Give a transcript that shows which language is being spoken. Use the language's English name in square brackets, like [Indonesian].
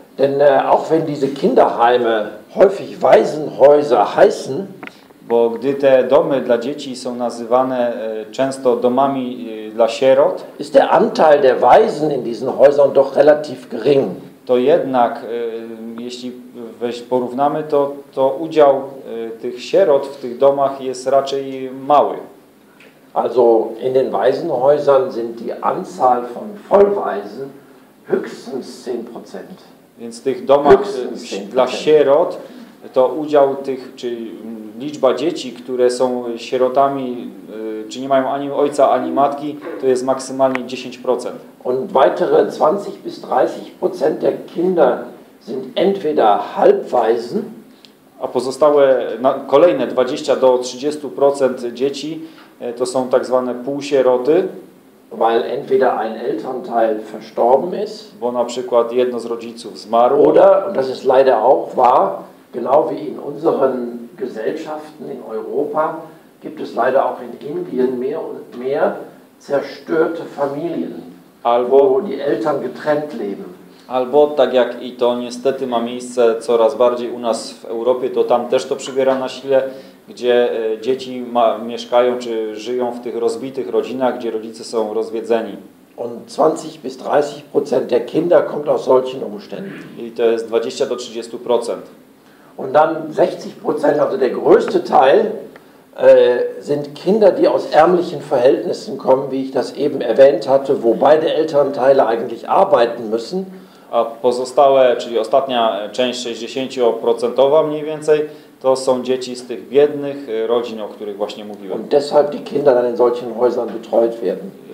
[German] Denn auch wenn diese Kinderheime häufig Waisenhäuser heißen, [Polish] bo gdy te domy dla dzieci są nazywane często domami dla sierot, [German] ist der Anteil der Waisen in diesen Häusern doch relativ gering. [Polish] To jednak, jeśli porównamy to, to udział tych sierot w tych domach jest raczej mały. [German] Also in den Waisenhäusern sind die Anzahl von Vollwaisen höchstens 10%. [Polish] Więc w tych domach dla sierot to udział tych, czy liczba dzieci, które są sierotami, czy nie mają ani ojca, ani matki, to jest maksymalnie 10%. [German] Und weitere 20-30% der Kinder sind entweder halbwaisen, [Polish] A pozostałe, kolejne 20-30% dzieci to są tak zwane półsieroty. [German] Weil entweder ein Elternteil verstorben ist, [Polish] bo na przykład jedno z rodziców zmarło. [German] Oder, und das ist leider auch wahr, genau wie in unseren Gesellschaften in Europa, gibt es leider auch in Indien mehr und mehr zerstörte Familien, [Polish] albo, [German] wo die Eltern getrennt leben. [Polish] Albo tak jak i to niestety ma miejsce coraz bardziej u nas w Europie, to tam też to przybiera na sile, gdzie dzieci mieszkają czy żyją w tych rozbitych rodzinach, gdzie rodzice są rozwiedzeni. [German] Und 20-30% der Kinder kommt aus solchen Umständen. [Polish] I to jest 20-30%. [German] Und dann 60%, also der größte Teil, sind Kinder, die aus ärmlichen Verhältnissen kommen, wie ich das eben erwähnt hatte, wo beide Elternteile eigentlich arbeiten müssen. [Polish] A pozostałe, czyli ostatnia część 60% mniej więcej, to są dzieci z tych biednych rodzin, o których właśnie mówiłem. [German] Und deshalb die Kinder dann in solchen Häusern betreut werden.